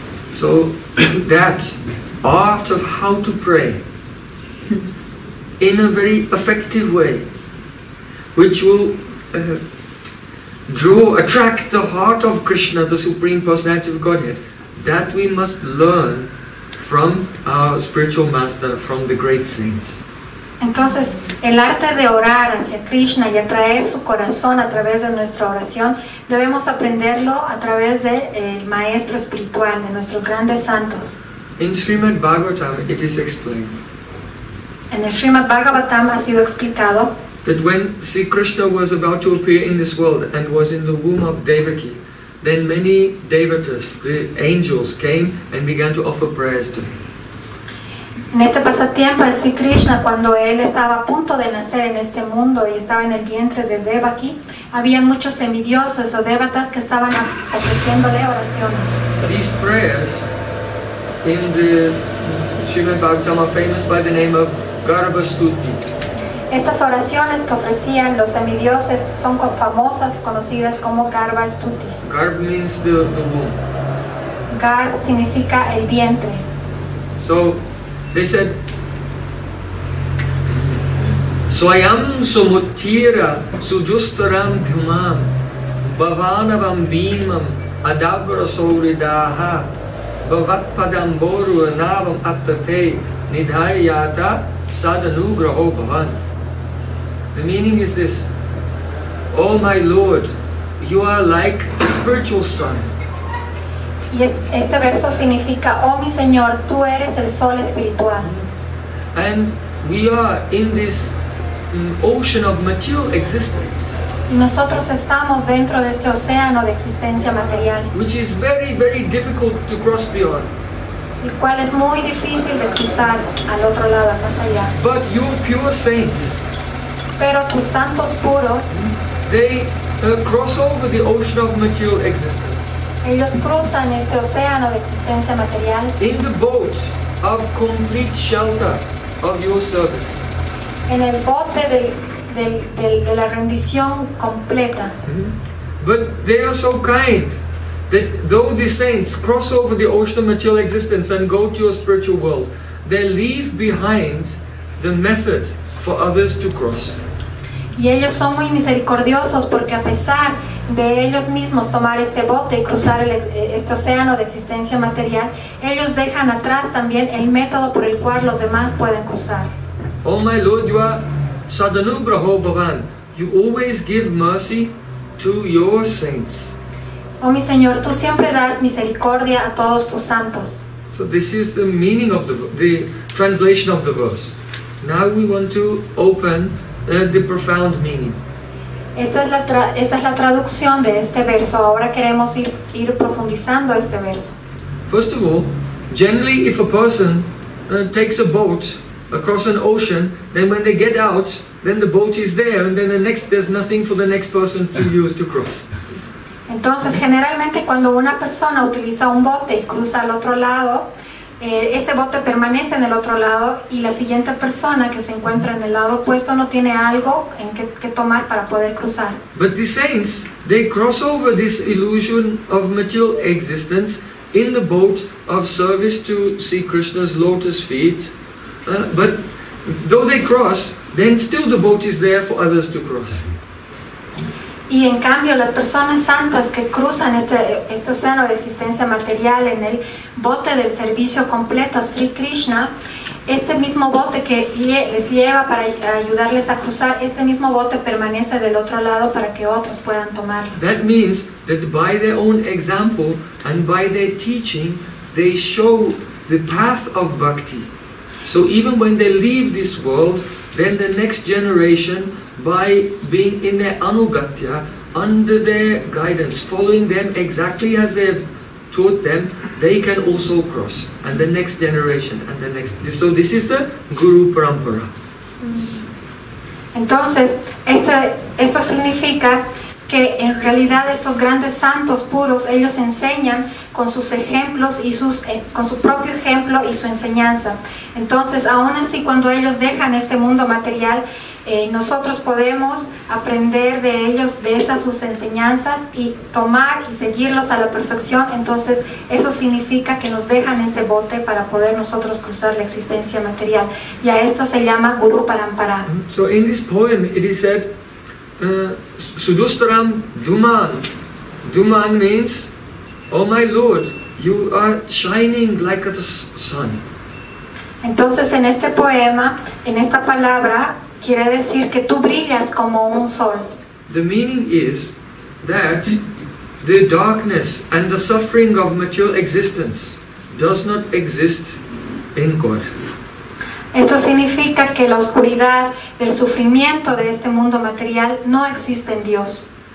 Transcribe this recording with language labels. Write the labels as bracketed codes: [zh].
[en] So that art of how to pray in a very effective way, which will attract the heart of Krishna, the Supreme Personality of Godhead, that we must learn from our spiritual master, from the great saints. [es] Entonces, el arte de orar hacia Krishna y atraer su corazón a través de nuestra oración, debemos aprenderlo a través del maestro espiritual, de nuestros grandes santos. [en] In Srimad Bhagavatam, it is explained. [es] En el Srimad Bhagavatam ha sido explicado [en] that when Sri Krishna was about to appear in this world and was in the womb of Devaki, then many devatas, the angels, came and began to offer prayers to him. [es] En este pasatiempo, Sri Krishna, cuando él estaba a punto de nacer en este mundo y estaba en el vientre de Devaki, había muchos semidioses o devatas que estaban ofreciéndole oraciones. [en] These prayers in the Srimad Bhagavatam are famous by the name of Garbhastuti. [es] Estas oraciones que ofrecían los semidioses son famosas, conocidas como Garbhastutis. [en] Garb means the womb. [es] Garb significa el vientre. [en] So they said, [sa] Swayam sumuttira sujustaram dhumam bhavanavam bhimam adabra sauridaha bhavat padam boru navam atate nidhayata sadanugraho bhavan. [en] The meaning is this: oh my Lord, you are like the spiritual sun. [es] Y este verso significa: oh mi Señor, tú eres el sol espiritual. [en] And we are in this ocean of material existence. [es] Y nosotros estamos dentro de este océano de existencia material, [en] which is very, very difficult to cross beyond. [es] El cual es muy difícil de cruzar al otro lado, más allá. [en] But you pure saints, [es] pero tus santos puros, [en] they cross over the ocean of material existence. [es] Ellos cruzan este océano de existencia material. [en] In the boat of complete shelter of your service. [es] En el bote de la rendición completa. [en] But they are so kind that though the saints cross over the ocean of material existence and go to your spiritual world, they leave behind the method for others to cross. [es] Y ellos son muy misericordiosos porque a pesar de ellos mismos tomar este bote y cruzar este océano de existencia material, ellos dejan atrás también el método por el cual los demás pueden cruzar. [en] Oh my Lord, you are Sadanugraho Bhavan. You always give mercy to your saints. [es] Oh mi Señor, tú siempre das misericordia a todos tus santos. [en] So this is the meaning of the translation of the verse. Now we want to open the profound meaning. [es] Esta es la traducción de este verso. Ahora queremos ir profundizando este verso. [en] First of all, generally if a person takes a boat across an ocean, then when they get out, then the boat is there, and then there's nothing for the next person to use to cross. [es] Entonces, generalmente cuando una persona utiliza un bote y cruza al otro lado, ese bote permanece en el otro lado y la siguiente persona que se encuentra en el lado opuesto no tiene algo en que tomar para poder cruzar. [en] But the saints, they cross over this illusion of material existence in the boat of service to see Krishna's lotus feet. But though they cross, then still the boat is there for others to cross. [es] Y en cambio las personas santas que cruzan este océano de existencia material en el bote del servicio completo a Sri Krishna, este mismo bote que les lleva para ayudarles a cruzar, este mismo bote permanece del otro lado para que otros puedan tomarlo. [en] That means that by their own example and by their teaching, they show the path of bhakti. So even when they leave this world, then the next generation, by being in their anugatya, under their guidance, following them exactly as they have taught them, they can also cross. And the next generation, and the next. So this is the Guru Parampara. [es] Entonces, esto significa que en realidad estos grandes santos puros, ellos enseñan con sus ejemplos y con su propio ejemplo y su enseñanza. Entonces, aún así, cuando ellos dejan este mundo material, nosotros podemos aprender de ellos, de estas sus enseñanzas, y tomar y seguirlos a la perfección. Entonces, eso significa que nos dejan este bote para poder nosotros cruzar la existencia material. Y a esto se llama Guru Parampara. [en] So, in this poem, it is said, Sudustaram Duman. Duman means, oh my Lord, you are shining like a sun. [es] Entonces, en este poema, en esta palabra, quiere decir que tú brillas como un sol. [en] The meaning is that the darkness and the suffering of material existence does not exist in God. [es] Esto significa que la oscuridad del sufrimiento de este mundo material no existe en Dios.